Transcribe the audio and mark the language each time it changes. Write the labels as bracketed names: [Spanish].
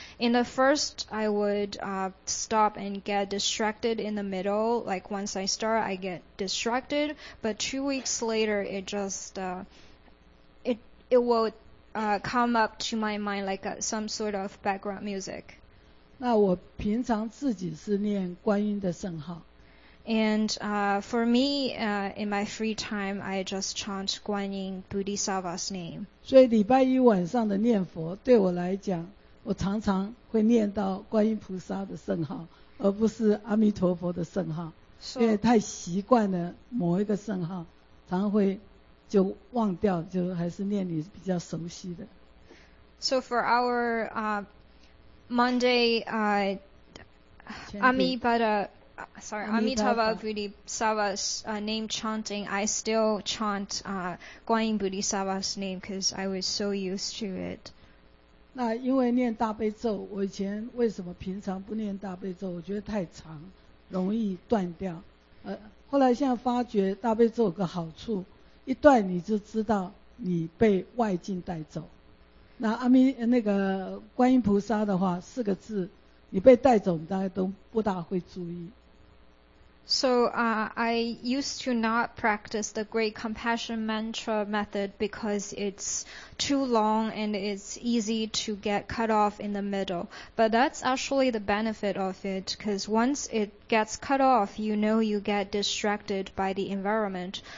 [English] In the first, I would stop and get distracted in the middle. Like once I start, I get distracted. But 2 weeks later, it just, it will come up to my mind like some sort of background music. [Chinese] 那我平常自己是念观音的圣号。 [English] And for me, in my free time, I just chant Guan Yin Bodhisattva's name. [Chinese] 所以礼拜一晚上的念佛对我来讲，我常常会念到观音菩萨的圣号，而不是阿弥陀佛的圣号。 [English] So, [Chinese] 因为太习惯了某一个圣号，常常会就忘掉，就还是念你比较熟悉的。 [English] So for our Monday, Amitabha Bodhisattva's name chanting, I still chant Guanyin Bodhisattva's name because I was so used to it. [Chinese] 那因为念大悲咒，我以前为什么平常不念大悲咒？我觉得太长，容易断掉。后来现在发觉大悲咒有个好处，一断你就知道你被外境带走。那阿弥那个观音菩萨的话，四个字，你被带走，大家都不大会注意。 [English] So, I used to not practice the Great Compassion Mantra method because it's too long and it's easy to get cut off in the middle. But that's actually the benefit of it, because once it gets cut off, you know you get distracted by the environment.